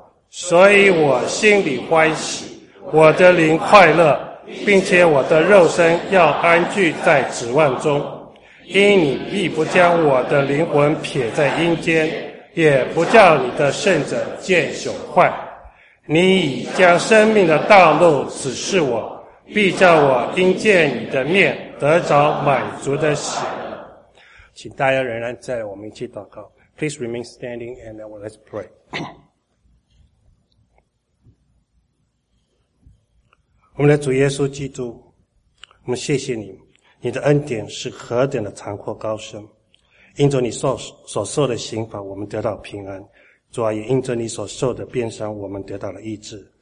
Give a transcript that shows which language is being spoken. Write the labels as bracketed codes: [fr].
[zh] 所以我心里欢喜，我的灵快乐，并且我的肉身要安居在指望中，因你必不将我的灵魂撇在阴间，也不叫你的圣者见朽坏。你已将生命的道路指示我，必叫我因见你的面得着满足的喜乐。请大家仍然在我们一起祷告。 [en] Please remain standing and then let's pray. [zh] 我们的主耶稣基督，我们谢谢你，你的恩典是何等的长阔高深。因着你所受的刑罚，我们得到平安。主啊，也因着你所受的鞭伤，我们得到了医治。